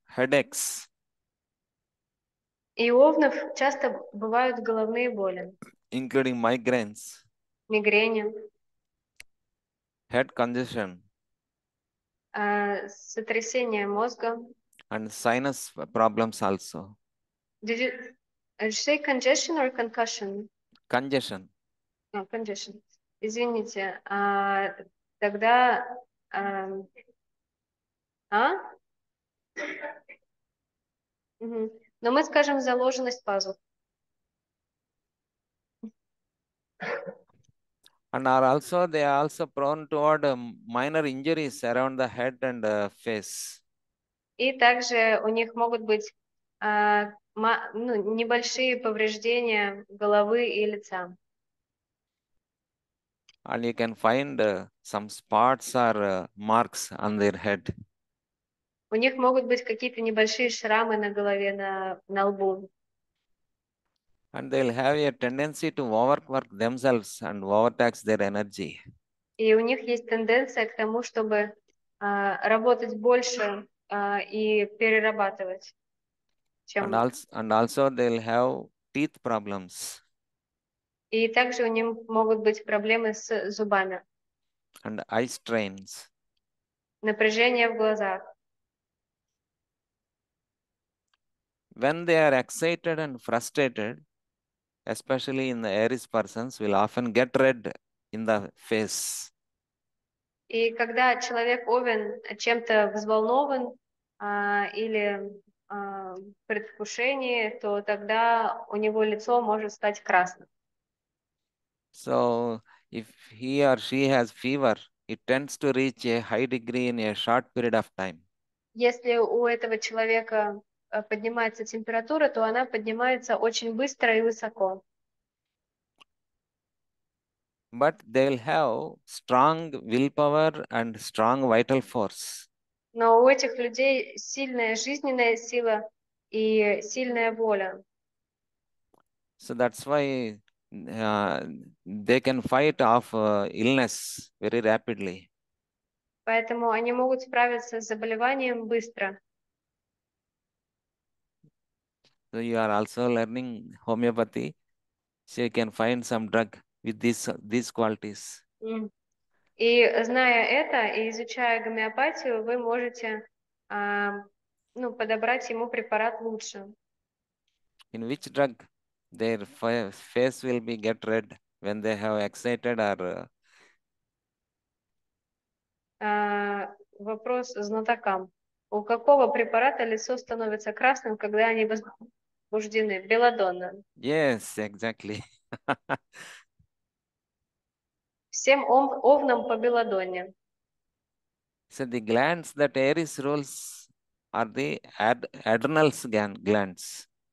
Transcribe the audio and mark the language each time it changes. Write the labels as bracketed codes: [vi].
[en] headaches. [ru] И у овнов часто бывают головные боли. [en] Including migraines, [ru] Мигрени. [en] head congestion, [ru] Сотрясение мозга. [en] And sinus problems also. Did you say congestion or concussion? Congestion. No, congestion. [ru] Извините. Тогда... Но мы скажем заложенность пазух. [en] And are also they are also prone toward minor injuries around the head and face. [ru] И также у них могут быть небольшие повреждения головы и лица. [en] And you can find some spots or marks on their head. [ru] У них могут быть какие-то небольшие шрамы на голове, на лбу. [en] And they'll have a tendency to overwork themselves and overtax their energy. [ru] И у них есть тенденция к тому, чтобы работать больше и перерабатывать, чем... [en] And also they'll have teeth problems. [ru] И также у них могут быть проблемы с зубами. [en] And eye strains. [ru] Напряжение в глазах. [en] When they are excited and frustrated, especially in the Aries persons, will often get red in the face. [ru] И когда человек овен чем-то взволнован или предвкушении, то тогда у него лицо может стать красным. [en] So, if he or she has fever, it tends to reach a high degree in a short period of time. [ru] Если у этого человека поднимается температура, то она поднимается очень быстро и высоко. [en] But they'll have strong willpower and strong vital force. [ru] Но у этих людей сильная жизненная сила и сильная воля. [en] So that's why they can fight off illness very rapidly. [ru] Поэтому они могут справиться с заболеванием быстро. [en] So you are also learning homeopathy, so you can find some drug with these qualities. [ru] И зная это и изучая гомеопатию, вы можете подобрать ему препарат лучше. [en] In which drug their face will be get red when they have excited or [ru] Вопрос знатокам. У какого препарата лицо становится красным, когда они возбуждены? Беладонна. [en] Yes, exactly. [ru] Всем овнам по Беладонне. [en] So the glands that Aries rules are the adrenal glands.